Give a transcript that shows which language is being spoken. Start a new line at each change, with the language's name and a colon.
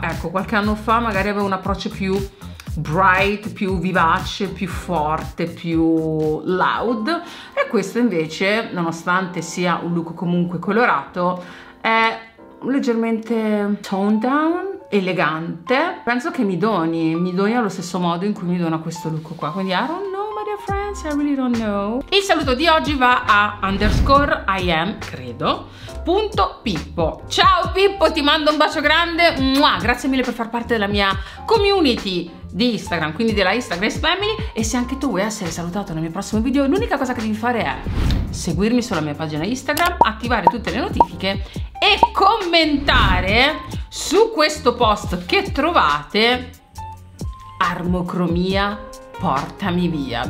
Italian: Ecco, qualche anno fa magari avevo un approccio più bright, più vivace, più forte, più loud. E questo invece, nonostante sia un look comunque colorato, è leggermente
English: toned down,
Italian: elegante. Penso che mi doni allo stesso modo in cui mi dona questo look qua.
English: Quindi I don't know, my dear friends, I really don't know.
Italian: Il saluto di oggi va a _IM, credo, punto Pippo. Ciao Pippo, ti mando un bacio grande. Mua, grazie mille per far parte della mia community di Instagram, quindi della Instagram Family. E se anche tu vuoi essere salutato nel mio prossimo video, l'unica cosa che devi fare è seguirmi sulla mia pagina Instagram, attivare tutte le notifiche e commentare su questo post che trovate: armocromia, portami via.